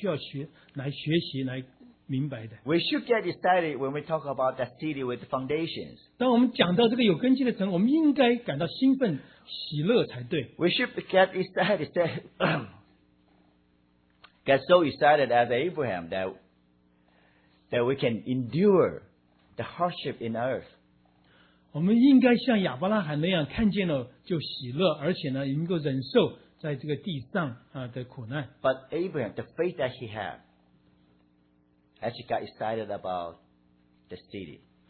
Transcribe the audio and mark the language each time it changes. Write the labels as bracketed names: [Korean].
[Chinese] 想想看,在这里面我们有多少需要学习来明白的。 [English] We should get excited when we talk about that city with the foundations. [Chinese] 当我们讲到这个有根基的城,我们应该感到兴奋,喜乐才对。 [English] We should get excited, say, get so excited as Abraham that we can endure the hardship in earth. [Chinese] 我们应该像亚伯拉罕那样看见了就喜乐,而且能够忍受在这个地上的苦难。 [English] But Abraham, the faith that he had, actually got excited about the city.